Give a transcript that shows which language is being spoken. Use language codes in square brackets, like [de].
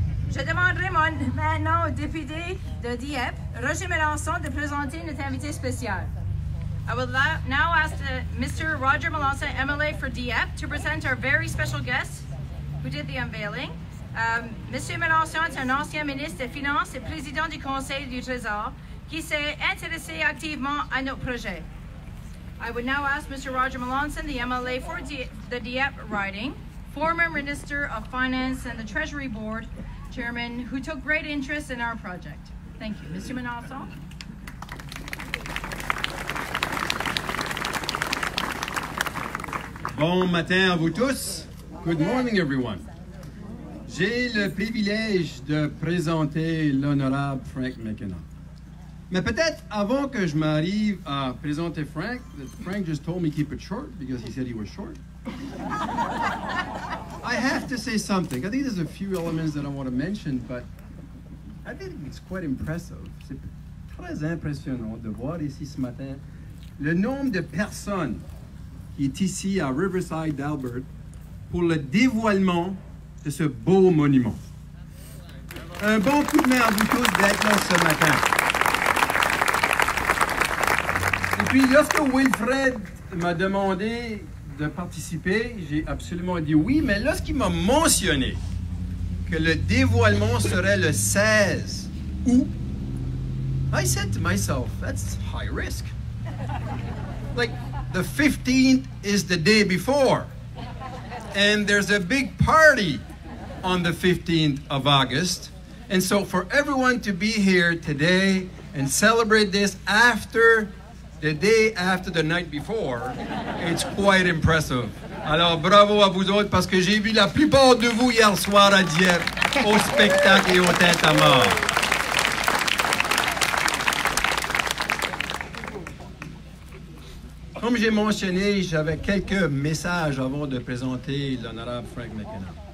[fr] Je demanderai maintenant au député de Dieppe, Roger Melançon, de présenter notre invité spécial. [en] I will now ask Mr. Roger Melançon, MLA for Dieppe, to present our very special guest who did the unveiling. Mr. [fr] Melançon [en] is an [fr] ancien ministre des Finances et président du Conseil du Trésor qui s'est intéressé activement à notre projet. [en] I would now ask Mr. Roger Melançon, the MLA for the Dieppe riding, former Minister of Finance and the Treasury Board Chairman, who took great interest in our project. Thank you. Mr. Melançon. [fr] Bon matin à vous tous. [en] Good morning, everyone. [fr] J'ai le privilège de présenter l'honorable Frank McKenna. Mais peut-être avant que je m'arrive à présenter Frank, [en] Frank just told me keep it short because he said he was short. I have to say something. I think there's a few elements that I want to mention, but I think it's quite impressive. [fr] C'est très impressionnant de voir ici ce matin le nombre de personnes qui est ici à Riverside-Alberta pour le dévoilement de ce beau monument. Un bon coup de main à vous tous d'être là ce matin. Et puis, lorsque Wilfred m'a demandé de participer, j'ai absolument dit oui, mais lorsqu'il m'a mentionné que le dévoilement serait le 16 août, [en] I said to myself, that's high risk. Like, the 15th is the day before, and there's a big party on the 15th of August. And so for everyone to be here today and celebrate this after the day after the night before, it's quite impressive. [fr] Alors bravo à vous autres, parce que j'ai vu la plupart de vous hier soir à Dieppe, au spectacle et au tête à mort. Comme j'ai mentionné, j'avais quelques messages avant de présenter l'honorable Frank McKenna.